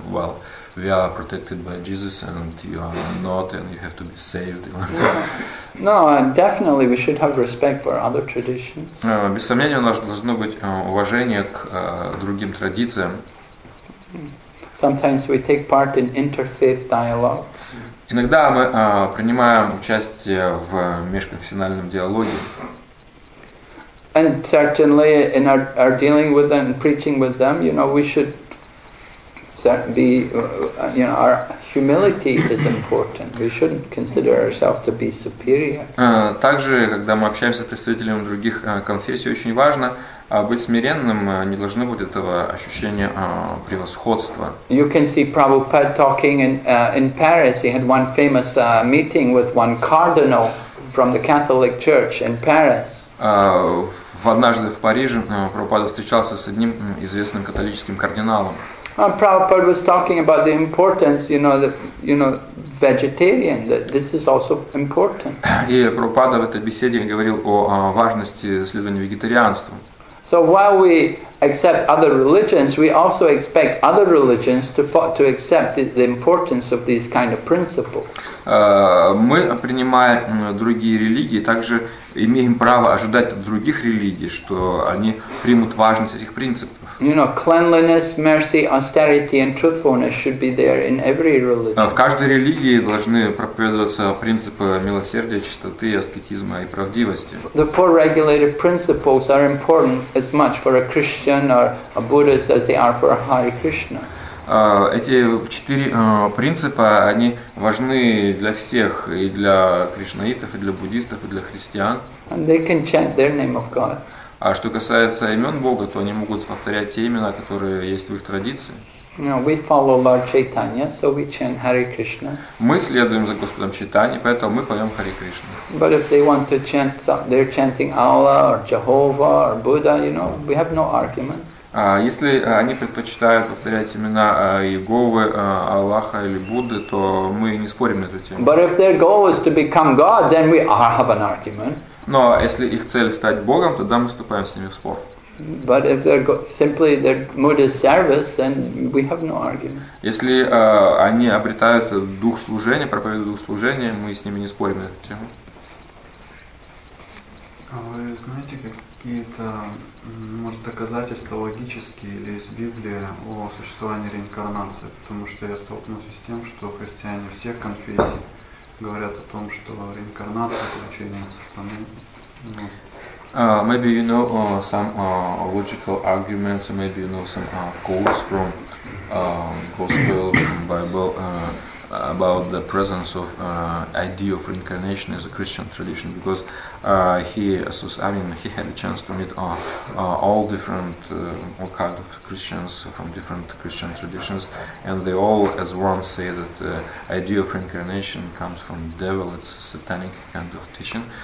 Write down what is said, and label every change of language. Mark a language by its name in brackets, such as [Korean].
[English] Well, we are protected by Jesus, and you are not, and you have to be saved. No, definitely we should have respect for other traditions. [Russian] Без сомнения, у нас должно быть уважение к другим традициям. [English] Sometimes we take part in interfaith dialogues. [Russian] Иногда мы принимаем участие в межконфессиональном диалоге. [English] And certainly in our dealing with them, preaching with them, you know, we should our humility is important. We shouldn't consider ourselves to be superior. [Russian] Также, когда мы общаемся с представителями других конфессий, очень важно быть смиренным, не должны быть этого ощущения превосходства. [English] You can see Prabhupada talking in Paris. He had one famous meeting with one cardinal from the Catholic Church in Paris. [Russian] Однажды в Париже Прабхупада встречался с одним известным католическим кардиналом. [English] Prabhupada was talking about the importance, you know, vegetarian, that this is also important. [Russian] И Прабхупада в этой беседе говорил о важности следования вегетарианству. [English] So while we accept other religions, we also expect other religions to accept the importance of these kind of principles. [Russian] Мы, принимая другие религии, также имеем право ожидать от других религий, что они примут важность этих принципов. [English] You know, cleanliness, mercy, austerity and truthfulness should be there in every religion. [Russian] В каждой религии должны проповедоваться принципы милосердия, чистоты, аскетизма и правдивости. [English] The four regulative principles are important as much for a Christian or a Buddhist as they are for a Hare Krishna. [Russian] Эти четыре принципа, они важны для всех, и для кришнаитов, и для буддистов, и для христиан. [English] And they can chant their name of God. [Russian] А что касается имен Бога, то они могут повторять те имена, которые есть в их традиции. [English] We follow Lord Chaitanya, so we chant Hare Krishna. [Russian] Мы следуем за Господом Чайтанья, поэтому мы поем Hare Krishna. [English] But if they want to chant, they're chanting Allah or Jehovah or Buddha, you know, we have no argument. [Russian] Если они предпочитают повторять имена Иеговы, Аллаха или Будды, то мы не спорим на эту тему. [English] But if their goal is to become God, then we have an argument. [Russian] Но если их цель стать Богом, тогда мы вступаем с ними в спор. [English] But if their simply their mood is service, then we have no argument. [Russian] Если они обретают дух служения, проповедуют дух служения, мы с ними не спорим на эту тему. А вы знаете какие-то, может, доказательства логические или из Библии о существовании реинкарнации? Потому что я столкнулся с тем, что христиане всех конфессий говорят о том, что реинкарнация включается в тому. [English] Maybe you know some logical arguments, maybe you know some quotes from Gospel, Bible about the presence of idea of reincarnation as a Christian tradition, because he had a chance to meet all different all kinds of Christians from different Christian traditions, and they all as one say that the idea of reincarnation comes from devil, it's a satanic kind of teaching.